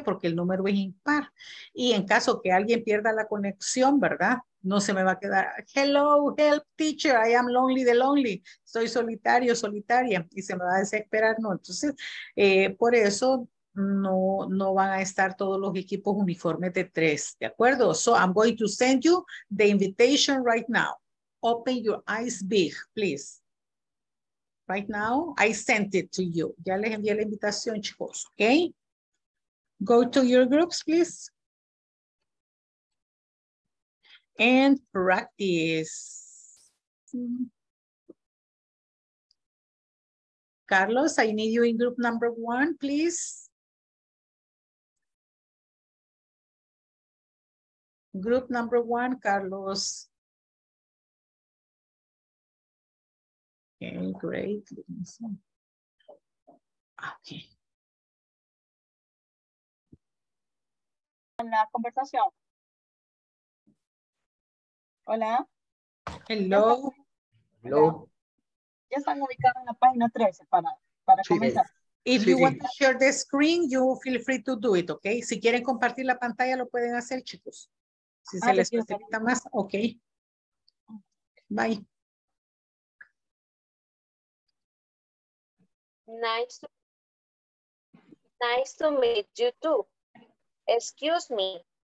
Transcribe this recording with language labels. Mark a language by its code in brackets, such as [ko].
[es] Porque el número es impar. Y en caso que alguien pierda la conexión, ¿verdad? No se me va a quedar, [en] hello, help, teacher, I am lonely, the lonely. [es] Estoy solitario, solitaria. Y se me va a desesperar, ¿no? Entonces, por eso... No, no van a estar todos los equipos uniformes de tres, ¿de acuerdo? [en] So I'm going to send you the invitation right now. Open your eyes big, please. Right now, I sent it to you. [es] Ya les envié la invitación, chicos, ¿ok? [en] Go to your groups, please. And practice. Carlos, I need you in group number one, please. Group number one, Carlos. Okay, great. Let me see. Okay. [es] En la conversación. Hola. [en] Hello. Hello. [es] Ya están ubicados en la página 13 para comenzar. If you want to share the screen, you feel free to do it, okay? Si quieren compartir la pantalla, lo pueden hacer, chicos. Si se les facilita más, ok. [en] Bye. Nice to meet you too. Excuse me.